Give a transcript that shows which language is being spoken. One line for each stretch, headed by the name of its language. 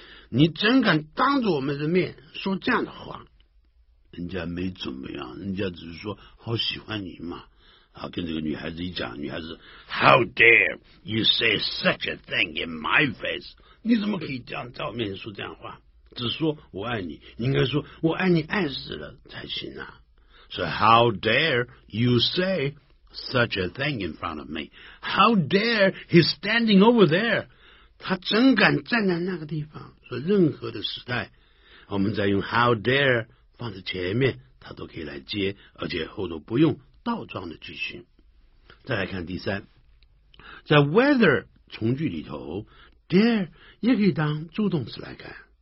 Chinese: 你真敢当着我们的面说这样的话，人家没怎么样，人家只是说好喜欢你嘛。好，跟这个女孩子一讲，女孩子
English: How dare you say such a thing in my face？
Chinese: 你怎么可以这样在我面前说这样的话？只说我爱你，你应该说我爱你爱死了才行啊。
English: 所以 How dare you say such a thing in front of me？How dare he's standing over there？
Chinese: 他真敢站在那个地方。所以任何的时代，我们在用 how dare 放在前面，他都可以来接，而且后头不用倒装的句型。再来看第三，在 whether 从句里头， dare 也可以当助动词来看。